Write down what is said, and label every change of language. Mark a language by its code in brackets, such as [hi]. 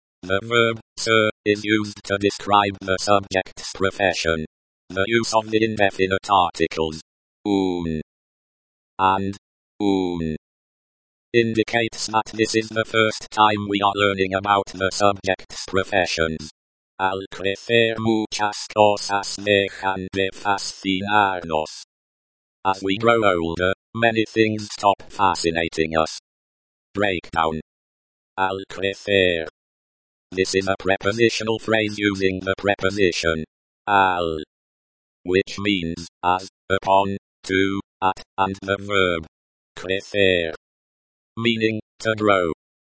[en] The verb, sir, is used to describe the subject's profession. The use of the indefinite articles, un and un, indicates that this is the first time we are learning about the subject's professions. [es] Al crecer muchas cosas dejan de fascinarnos. [en] As we grow older, many things stop fascinating us. Breakdown. Al crecer. This is a prepositional phrase using the preposition al, which means as, upon, to, at, and the verb crecer, meaning to grow.